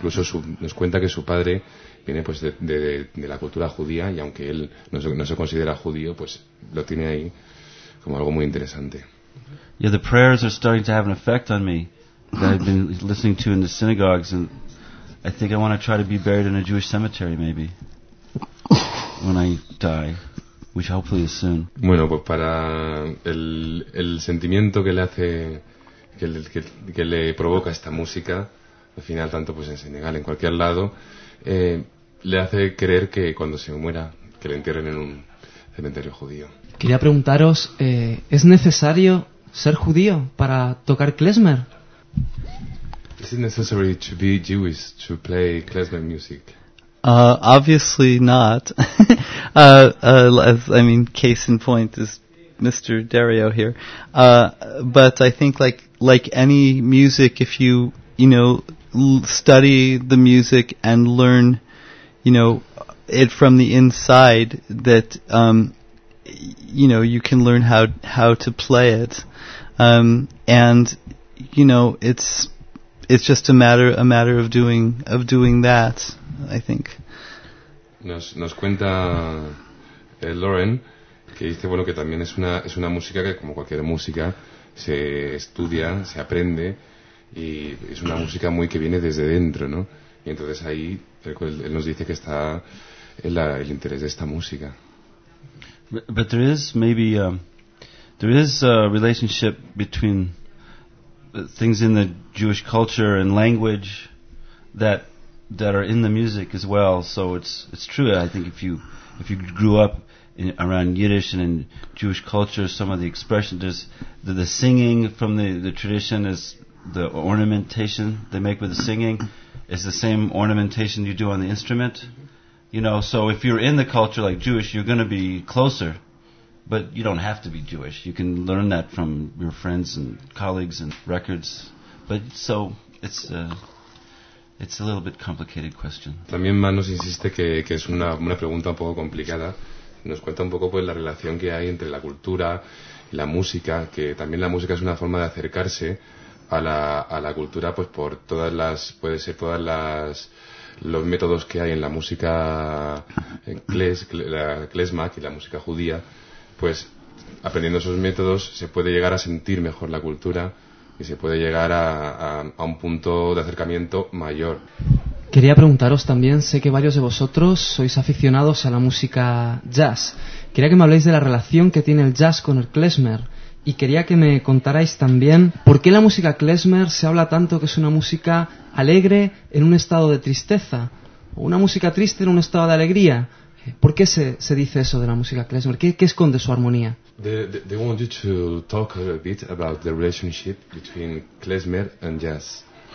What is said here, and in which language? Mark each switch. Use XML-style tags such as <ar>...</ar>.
<es>Incluso nos cuenta que su padre viene pues de la cultura judía, y aunque él no se considera judío, pues lo tiene ahí como algo muy interesante.</es> <en>Yeah, the prayers are starting to have an effect on me that I've been listening to in the synagogues, and I think I want to try to be buried in a Jewish cemetery maybe when I die, which hopefully is soon.</en> <es>Bueno, pues para el sentimiento que le hace que le provoca esta música, al final tanto pues en Senegal, en cualquier lado, le hace creer que cuando se muera, que le entierren en un cementerio judío. Quería preguntaros, ¿es necesario ser judío para tocar klezmer?</es> <en>Is it necessary to be Jewish to play klezmer music? Obviously not. case in point is Mr. Dario here. But I think like any music, if you study the music and learn, you know, it from the inside, that you can learn how to play it. And you know, it's just a matter of doing that, I think.</en> <es>Nos cuenta Lauren que dice, bueno, que también es una música que, como cualquier música, se estudia, se aprende, y es una música muy que viene desde dentro, ¿no? Y entonces ahí él nos dice que está el interés de esta música.</es> <en>But there is maybe there is a relationship between things in the Jewish culture and language that are in the music as well. So it's true. I think if you grew up around Yiddish and in Jewish culture, some of the expression, the singing from the tradition, is the ornamentation they make with the singing is the same ornamentation you do on the instrument. You know, so if you're in the culture like Jewish, you're going to be closer, but you don't have to be Jewish. You can learn that from your friends and colleagues and records. But so it's a little bit complicated question.</en> <es>También Manos insiste que es una pregunta un poco complicada. Nos cuenta un poco pues la relación que hay entre la cultura y la música, que también la música es una forma de acercarse a la cultura, pues por todas las, puede ser todas las, los métodos que hay en la música klezma, que es la música judía, pues aprendiendo esos métodos se puede llegar a sentir mejor la cultura y se puede llegar a un punto de acercamiento mayor. Quería preguntaros también, sé que varios de vosotros sois aficionados a la música jazz. Quería que me habléis de la relación que tiene el jazz con el klezmer. Y quería que me contarais también por qué la música klezmer se habla tanto que es una música alegre en un estado de tristeza. O una música triste en un estado de alegría. ¿Por qué se dice eso de la música klezmer? ¿Qué esconde su armonía?</es> <en>They want you to talk a little bit about the relationship between klezmer and jazz.</en>